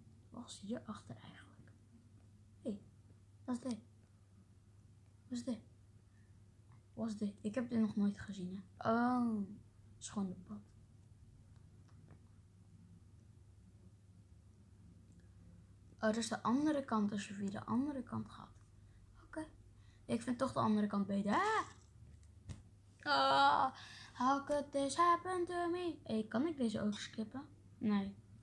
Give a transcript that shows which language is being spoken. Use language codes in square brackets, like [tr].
[nl] Wat is hier achter eigenlijk? Hé, wat is dit? Ik heb dit nog nooit gezien. Hè? Oh, het is gewoon de pad. Oh, dus de andere kant, als je via de andere kant gaat. Oké. Ik vind toch de andere kant beter. Ah! [en] Oh, how could this happen to me? [nl] Hey, kan ik deze ook skippen? Nee.